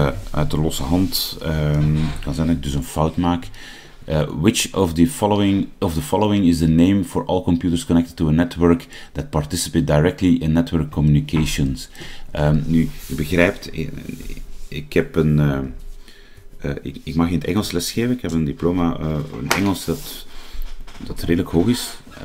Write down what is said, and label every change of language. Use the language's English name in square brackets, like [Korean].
[Dutch] Uit de losse hand kan zijn dat ik dus een fout maak. [English] Which of the following is the name for all computers connected to a network that participate directly in network communications? [Dutch] Nu, je begrijpt, ik heb Ik mag in het Engels lesgeven. Ik heb een diploma in Engels dat redelijk hoog is.